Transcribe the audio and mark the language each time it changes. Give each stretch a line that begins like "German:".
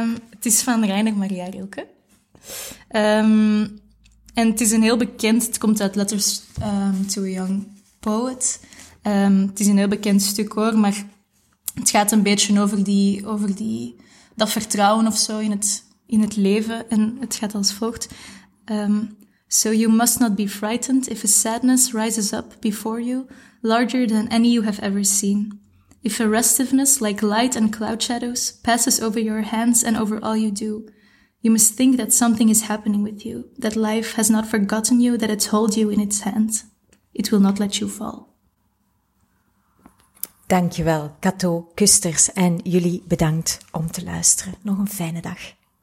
Dutch: Het is van Reiner Maria Rilke. En het is een heel bekend... Het komt uit Letters to a Young Poet. Het is een heel bekend stuk, hoor. Maar het gaat een beetje over dat vertrouwen of zo in het leven. En het gaat als volgt.
English: So you must not be frightened if a sadness rises up before you, larger than any you have ever seen. If a restiveness like light and cloud shadows passes over your hands and over all you do, you must think that something is happening with you, that life has not forgotten you, that it holds you in its hand. It will not let you fall.
Dutch: Dankjewel, Cato Kusters, en jullie bedankt om te luisteren. Nog een fijne dag.